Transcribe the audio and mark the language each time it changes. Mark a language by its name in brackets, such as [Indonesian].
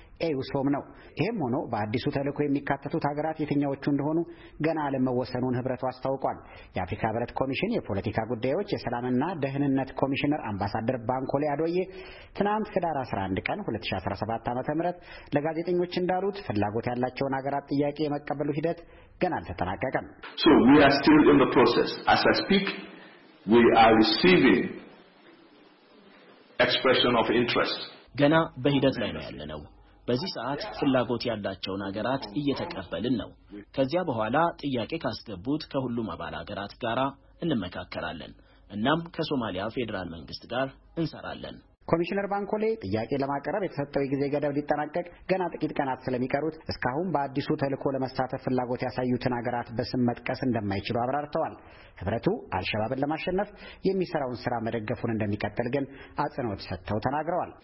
[Amharic] ኤዩሶም ነው። ይህም ሆኖ በአዲሱ ተልእኮ የሚካተቱት ሀገራት የትኛዎቹ እንደሆኑ ገና አለመወሰኑን ህብረቱ አስታውቋል። የአፍሪካ ህብረት ኮሚሽን የፖለቲካ ጉዳዮች የሰላምና ደህንነት ኮሚሽነር አምባሳደር ባንኮሌ አዶዬ ትናንት ህዳር 11 ቀን 2017 ዓ.ም ለጋዜጠኞች እንዳሉት ፍላጎት ያላቸውን ሀገራት ጥያቄ የመቀበሉ ሂደት ገና አልተጠናቀቀም። [English] So we are still in the process. As I speak, we are receiving expression of interest. [Amharic] ገና በሂደት ላይ ነው ያለነው። በዚህ ሰዓት ፍላጎት ያላቸውን ሀገራት እየተቀበልን ነው። ከዚያ በኋላ ጥያቄ ካስገቡት ከሁሉም አባል ሀገራት ጋር እንመካከራለን። እናም ከሶማሊያ ፌደራል መንግስት ጋር እንሰራለን። ኮሚሽነር ባንኮሌ ጥያቄ ለማቀረብ የተሰጠው ጊዜ ገደብ ሊጠናቀቅ ገና ጥቂት ቀናት ስለሚቀሩት እስካሁን በአዲሱ ተልእኮ ለመሳተፍ ፍላጎት ያሳዩትን አገራት በስም መጥቀስ እንደማይችሉ አብራርተዋል። ህብረቱ አልሸባብን ለማሸነፍ የሚሰራውን ስራ መደገፉን እንደሚቀጥል ግን አጽንኦት ሰጥተው ተናግረዋል።